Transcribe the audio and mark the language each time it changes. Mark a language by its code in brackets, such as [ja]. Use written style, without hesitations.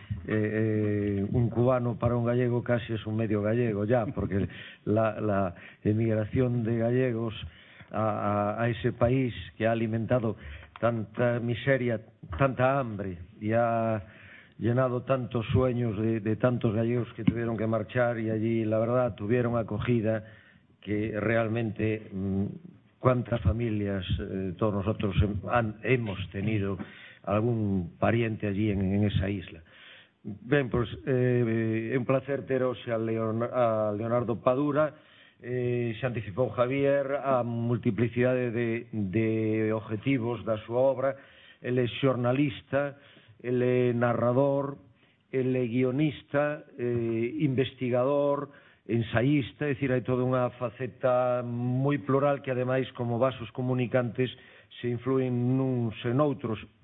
[es] un cubano para un gallego casi es un medio gallego ya, porque la emigración de gallegos a ese país que ha alimentado tanta miseria, tanta hambre y ha llenado tantos sueños de tantos gallegos que tuvieron que marchar y allí, la verdad, tuvieron acogida que realmente cuántas familias todos nosotros hemos tenido algún pariente allí en esa isla. Bien, pues un placer teneros a Leonardo Padura. [gl] Se anticipó Javier a multiplicidade de objetivos da súa obra. Ele é xornalista, ele é narrador, ele é guionista, investigador, ensaísta, é dicir, hai toda unha faceta moi plural que ademais como vasos comunicantes se influen nuns en outros.